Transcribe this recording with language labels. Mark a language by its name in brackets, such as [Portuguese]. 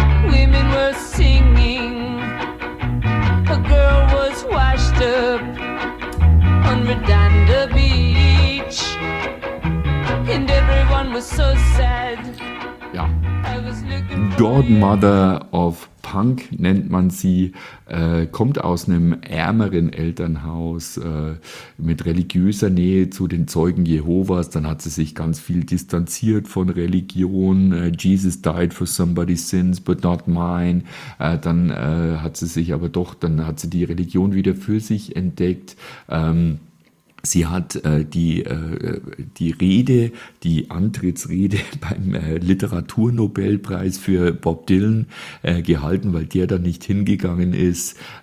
[English] Women were singing. A girl was washed up on Redondo Beach, and everyone was so sad. Yeah. I was looking for Godmother you. [German] Of Punk nennt man sie, kommt aus einem ärmeren Elternhaus mit religiöser Nähe zu den Zeugen Jehovas. Dann hat sie sich ganz viel distanziert von Religion. [English] Jesus died for somebody's sins, but not mine. [German] Dann hat sie die Religion wieder für sich entdeckt. Sie hat die Rede, die Antrittsrede beim Literaturnobelpreis für Bob Dylan gehalten, weil der da nicht hingegangen ist.